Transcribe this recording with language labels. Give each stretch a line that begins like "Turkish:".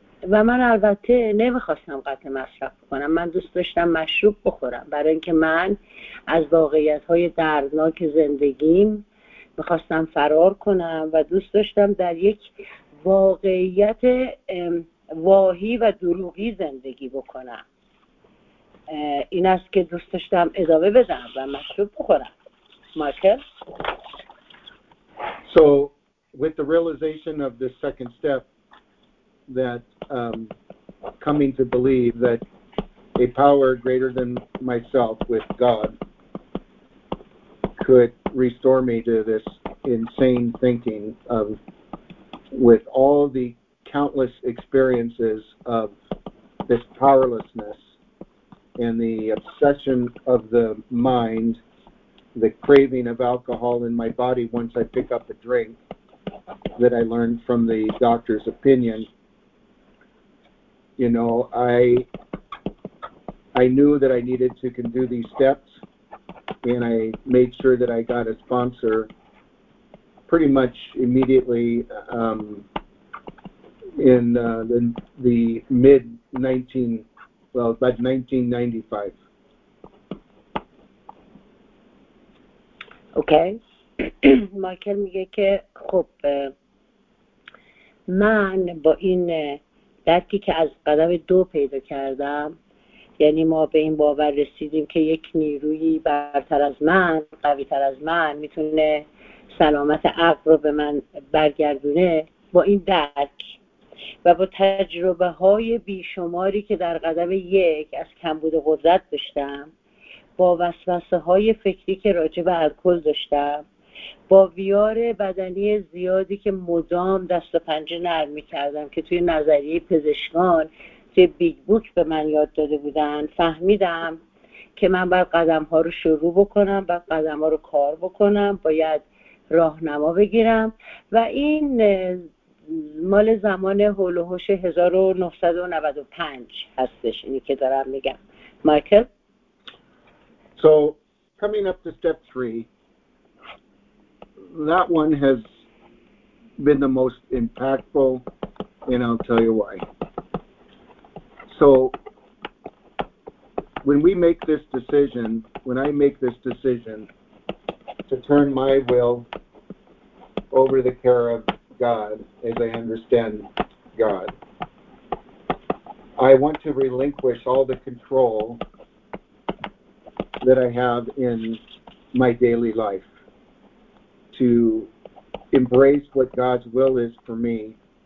Persian: و من البته نمیخواستم قطع مصرف بکنم، من دوست داشتم مشروب بخورم، برای اینکه من از واقعیت‌های دردناک زندگیم میخواستم فرار کنم و دوست داشتم در یک واقعیت واهی و دروغی زندگی بکنم. این است که دوست داشتم ادامه بدم و مشروب بخورم. مایکل؟
English: So with the realization of this second step, that coming to believe that a power greater than myself with God could restore me to this insane thinking of, with all the countless experiences of this powerlessness and the obsession of the mind, the craving of alcohol in my body once I pick up a drink that I learned from the doctor's opinion. You know, I knew that I needed to can do these steps, and I made sure that I got a sponsor pretty much immediately in the mid 1995. Okay.
Persian: Michael میگه که خب من با این درکی که از قدم دو پیدا کردم، یعنی ما به این باور رسیدیم که یک نیروی برتر از من، قوی تر از من میتونه سلامت عقل رو به من برگردونه، با این درک و با تجربه های بیشماری که در قدم یک از کمبود قدرت داشتم، با وسوسه های فکری که راجع به الکل داشتم، با ویار بدنی زیادی که مدام دست و پنجه نرم می کردم که توی نظریه پزشکان توی بیگ بوک به من یاد داده بودن، فهمیدم که من باید قدم ها رو شروع بکنم، باید قدم ها رو کار بکنم، باید راهنما بگیرم. و این مال زمان هول و هوش 1995 هستش، اینی که دارم میگم. مایکل؟
English: So coming up to step 3, that one has been the most impactful, and I'll tell you why. So when we make this decision, when I make this decision to turn my will over the care of God, as I understand God, I want to relinquish all the control that I have in my daily life, to embrace what God's will is for me,